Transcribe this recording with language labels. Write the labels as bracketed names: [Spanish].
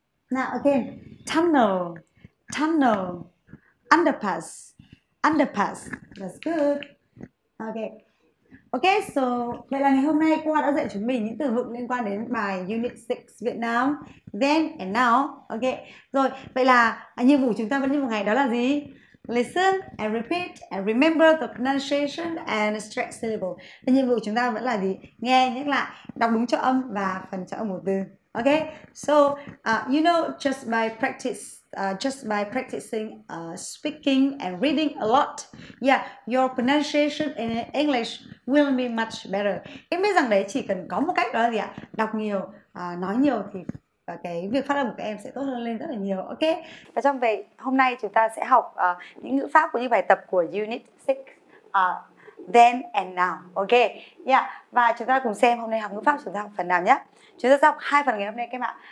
[English] Now again, tunnel, tunnel, underpass, underpass. That's good. Okay. [Vietnamese] Okay, so vậy là ngày hôm nay cô đã dạy chúng mình những từ vựng liên quan đến bài Unit 6 Việt Nam Then and Now. Okay, rồi vậy là nhiệm vụ chúng ta vẫn như một ngày đó là gì? [English] Listen and repeat and remember the pronunciation and stress syllable. [Vietnamese] Và nhiệm vụ chúng ta vẫn là gì? Nghe, nhắc lại, đọc đúng chỗ âm và phần chỗ âm của từ. [English] Okay, so you know, just by practice, just by practicing speaking and reading a lot, yeah, your pronunciation in English will be much better. [Vietnamese] Em biết rằng đấy chỉ cần có một cách đó là gì ạ? Đọc nhiều, nói nhiều thì cái việc phát âm của các em sẽ tốt hơn lên rất là nhiều. Okay. Và trong vậy, hôm nay chúng ta sẽ học những ngữ pháp của những bài tập của Unit 6, Then and Now. Okay. Yeah. Và chúng ta cùng xem hôm nay học ngữ pháp chúng ta học phần nào nhé. Chúng ta sẽ học hai phần ngày hôm nay các em ạ.